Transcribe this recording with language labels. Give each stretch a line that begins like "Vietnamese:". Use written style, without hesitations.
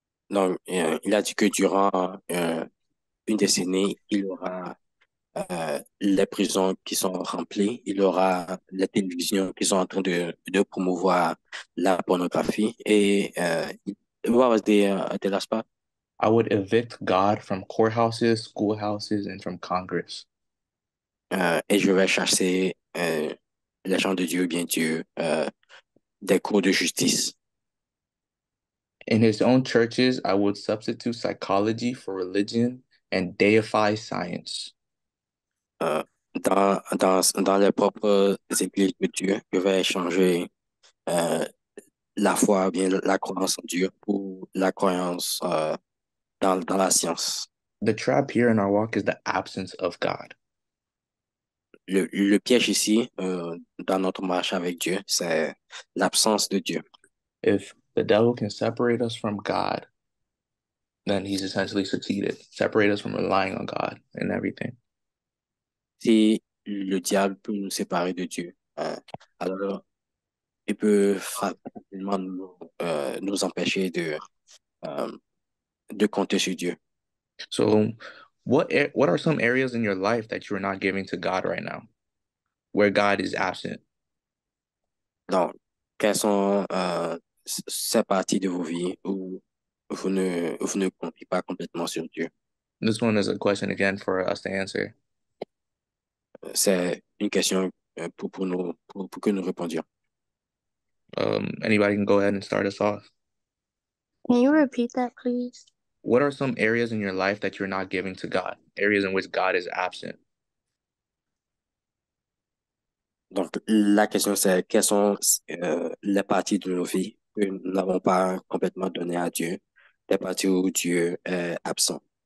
French: Donc, il a dit que durant une décennie, il aura les prisons qui sont remplies, il aura les télévisions qui sont en train de promouvoir la pornographie et
English: what was the last part? I would evict God from courthouses, schoolhouses, and from Congress.
French: Et je vais chasser les gens de Dieu, bien Dieu, des cours de justice.
English: In his own churches, I would substitute psychology for religion and deify science.
French: Dans les propres églises de Dieu, je vais changer la foi, bien la croyance en Dieu, pour la croyance dans la science.
English: The trap here in our walk is the absence of God.
French: Le piège ici, dans notre marche avec Dieu, c'est l'absence de Dieu.
English: If the devil can separate us from God, then he's essentially succeeded. Separate us from relying on God and everything.
French: Si le diable peut nous séparer de Dieu, alors il peut facilement nous empêcher de compter sur Dieu.
English: So, what are some areas in your life that you are not giving to God right now, where God is absent?
French: Donc, quelles sont ces parties de vos vies où vous ne comptez pas complètement sur Dieu?
English: This one is a question again for us to answer.
French: C'est une question pour que nous répondions.
English: Anybody can go ahead and start us off. Can you repeat that, please? What are some areas in your life that you're not giving to God? Areas in which God is absent.
French: Donc, la question c'est, quelles sont les parties de nos vies que nous n'avons pas complètement données à Dieu, les parties où Dieu est absent?